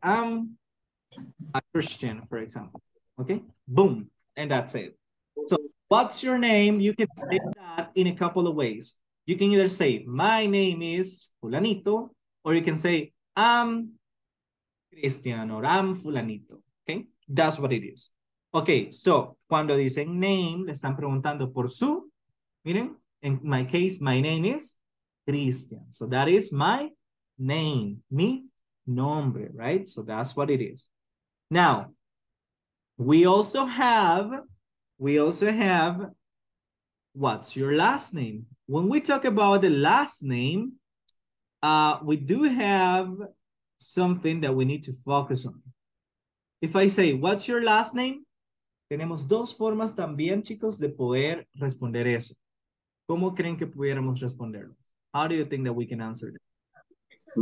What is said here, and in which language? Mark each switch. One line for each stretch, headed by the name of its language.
English: I'm a Christian, for example. Okay, boom, and that's it. So what's your name? You can say that in a couple of ways. You can either say my name is fulanito, or you can say I'm Christian, or I'm fulanito. Okay, that's what it is. Okay, so
Spanish: cuando dicen name, le están preguntando por su. Miren,
English: in my case, my name is Christian. So that is my name,
Spanish: mi nombre,
English: right? So that's what it is. Now, we also have, what's your last name? When we talk about the last name, we do have something that we need to focus on. If I say, what's your last name?
Spanish: Tenemos dos formas también, chicos, de poder responder eso. ¿Cómo creen que pudiéramos responderlo?
English: How do you think that we can answer it?